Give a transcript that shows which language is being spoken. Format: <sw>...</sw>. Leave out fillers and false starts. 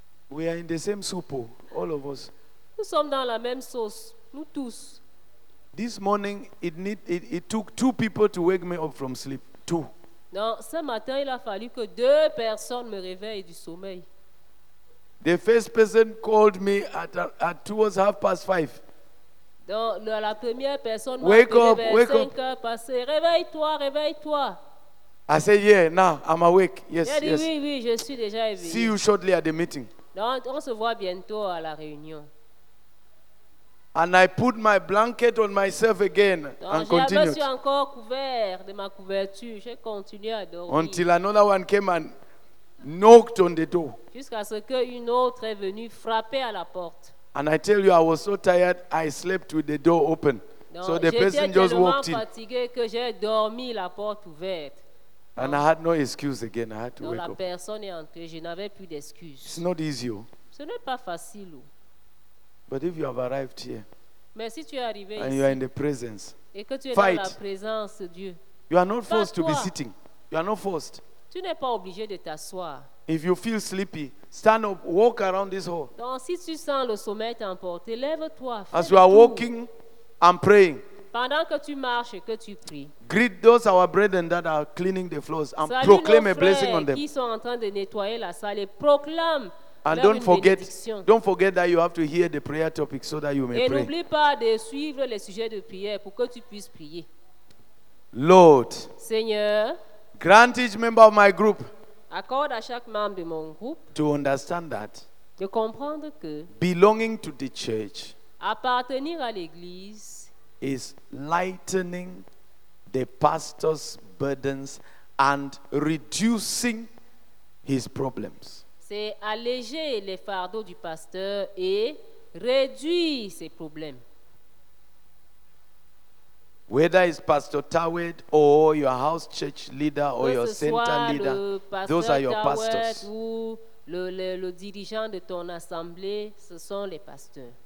<en>We are in the same soup, all of us.</en> <fr>Nous sommes dans la même sauce, nous tous.</fr> <en>This morning, it took two people to wake me up from sleep. Two.</en> <fr>Non, ce matin, il a fallu que deux personnes me réveillent du sommeil.</fr> <en>The first person called me at towards 5:30.</en> <fr>Donc, la première personne m'a appelé vers 5 heures passées. Réveille-toi, réveille-toi.</fr> <en>I said, yeah, now I'm awake. Yes,</en> <fr>dit,</fr> <en>yes.</en> <fr>Oui, je suis déjà éveillé.</fr> <en>See you shortly at the meeting.</en> <fr>Donc, on se voit bientôt à la réunion.</fr> <en>And I put my blanket on myself again and continued.</en> <fr>J'avais encore couvert de ma couverture. J'ai continué à dormir.</fr> <en>Until another one came and knocked on the door.</en> <fr>Jusqu'à ce qu'une autre est venue frapper à la porte.</fr> <en>And I tell you, I was so tired, I slept with the door open. So the person just walked in.</en> <fr>J'étais tellement fatigué que j'ai dormi la porte ouverte.</fr> <en>And I had no excuse again. I had to wake up.</en> <fr>La personne est entrée. Je n'avais plus d'excuses.</fr> <en>It's not easy.</en> <fr>Ce n'est pas facile.</fr> <en>But if you have arrived here,</en> <fr>mais si tu es arrivé</fr> <en>and</en> <fr>ici,</fr> <en>you are in the presence,</en> <fr>et que tu es</fr> <en>fight.</en> <fr>Dans la présence, Dieu,</fr> <en>you are not forced to be sitting. You are not forced.</en> <fr>Tu n'es pas obligé de t'asseoir.</fr> <en>If you feel sleepy, stand up, walk around this hall.</en> <fr>Donc, si tu sens le sommeil t'emporter, lève-toi.</fr> <en>As you are walking, I'm praying.</en> <fr>Pendant que tu marches, que tu pries.</fr> <en>Greet those our brethren that are cleaning the floors and proclaim a blessing on them.</en> <fr>Salut nos frères qui sont en train de nettoyer la salle et proclame.</fr> <en>And don't forget that you have to hear the prayer topic so that you may</en> <fr>et</fr> <en>pray.</en> <fr>Et n'oublie pas de suivre les sujets de prière pour que tu puisses prier.</fr> <en>Lord,</en> <fr>Seigneur,</fr> <en>grant each member of my group</en> <fr>accorde à chaque membre de mon groupe</fr> <en>to understand that</en> <fr>de comprendre que</fr> <en>belonging to the church</en> <fr>appartenir à l'église</fr> <en>is lightening the pastor's burdens and reducing his problems.</en> <fr>C'est alléger les fardeaux du pasteur et réduire ses problèmes.</fr> <en>Whether it's Pastor Tawed or your house church leader or your center leader, those are your pastors.</en> <fr>Ou le dirigeant de ton assemblée, ce sont les pasteurs.</fr>